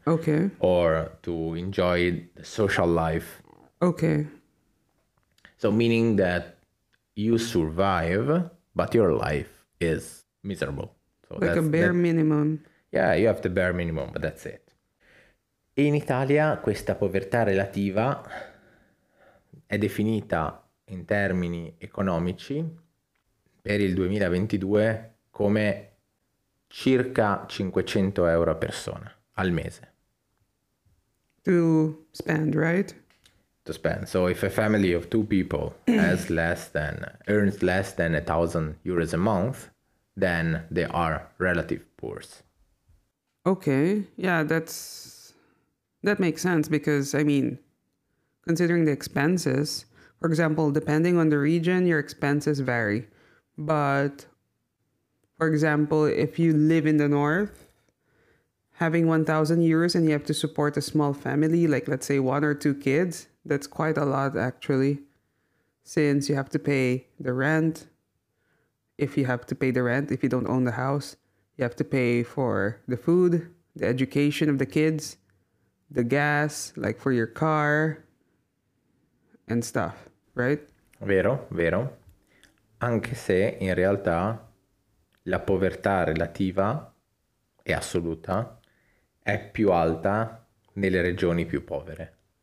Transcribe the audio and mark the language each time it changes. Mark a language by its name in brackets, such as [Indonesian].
[English] Okay. Or to enjoy the social life. Okay. So meaning that you survive, but your life is miserable. So like that's, a bare minimum. Yeah, you have the bare minimum, but that's it. [Italian] In Italia questa povertà relativa è definita in termini economici per il 2022 come circa 500 euro a persona al mese. [English] To spend, right? To spend. So if a family of two people has less than earns less than 1,000 euros a month, then they are relative poor. Okay, yeah, that makes sense because I mean, considering the expenses, for example, depending on the region, your expenses vary. But for example, if you live in the north, having 1,000 euros and you have to support a small family, like let's say one or two kids, that's quite a lot actually, since you have to pay the rent. If you have to pay the rent, if you don't own the house, you have to pay for the food, the education of the kids, the gas, like for your car and stuff, right? [Italian] Vero, vero. Anche se in realtà la povertà relativa e assoluta è più alta nelle regioni più povere.